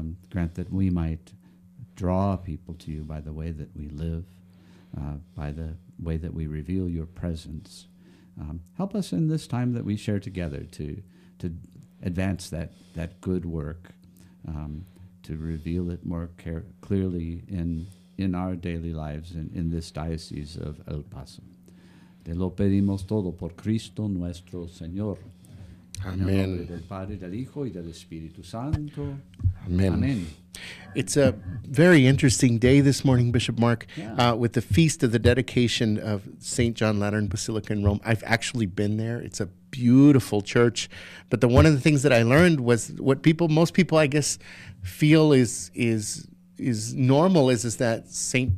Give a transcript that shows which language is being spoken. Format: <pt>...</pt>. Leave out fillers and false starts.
<en>Grant that we might draw people to you by the way that we live, by the way that we reveal your presence. Help us in this time that we share together to advance that good work, to reveal it more clearly in our daily lives in this diocese of El Paso.</en> <es>Te lo pedimos todo por Cristo nuestro Señor. Amen. En el nombre del Padre, del Hijo, y del Espíritu Santo. Amen. Amen.</es> <en>It's a very interesting day this morning, Bishop Mark, yeah. With the feast of the dedication of St. John Lateran Basilica in Rome. I've actually been there. It's a beautiful church. But one of the things that I learned was what most people, I guess, feel is normal is that St.</en>